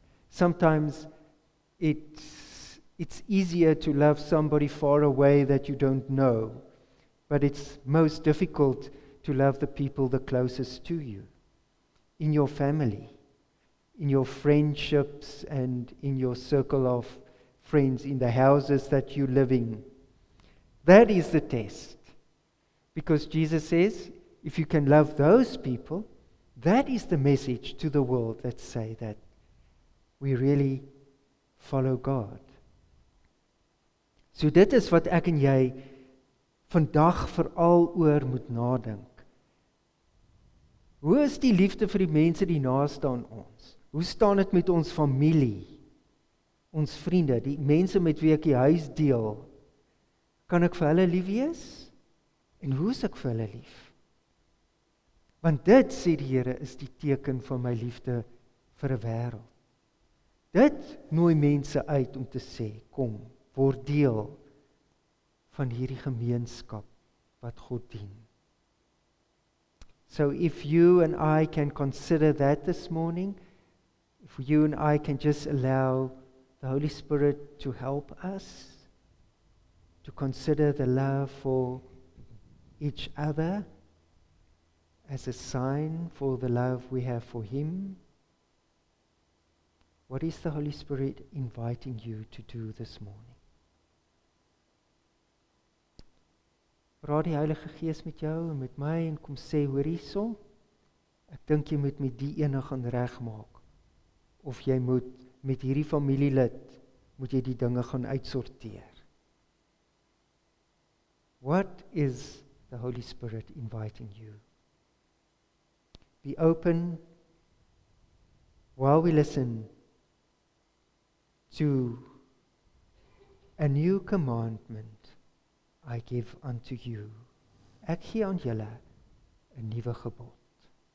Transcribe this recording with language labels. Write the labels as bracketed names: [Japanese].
[English] Sometimes it's easier to love somebody far away that you don't know, but it's most difficult to love the people the closest to you, in your family, in your friendships and in your circle of friends, in the houses that you live in. That is the test. Because Jesus says, if you can love those people, that is the message to the world that say that we really follow God. [Afrikaans] So dit is wat ek en jy vandag vooral oor moet nadink. Hoe is die liefde vir die mense die naaste aan ons? Hoe staan het met ons familie, ons vriende, die mense met wie ek die huis deel? Kan ek vir hulle lief wees? En hoe is ek vir hulle lief? Want dit, sê die Here, is die teken van my liefde vir die wereld. Dit nooi mense uit om te sê, kom, word deel van hierdie gemeenskap wat God dien. [English] So if you and I can consider that this morning, if you and I can just allow the Holy Spirit to help us to consider the love for each other as a sign for the love we have for Him, what is the Holy Spirit inviting you to do this morning? [Afrikaans] Praat die Heilige Gees met jou en met my en kom sê, hoor hierso, ek dink jy moet met die ene gaan regmaak. of jy moet met hierdie familielid moet jy die dinge gaan uitsorteer. [English] What is the Holy Spirit inviting you? Be open while we listen to a new commandment I give unto you. [Afrikaans] Ek gee aan julle 'n nuwe gebod.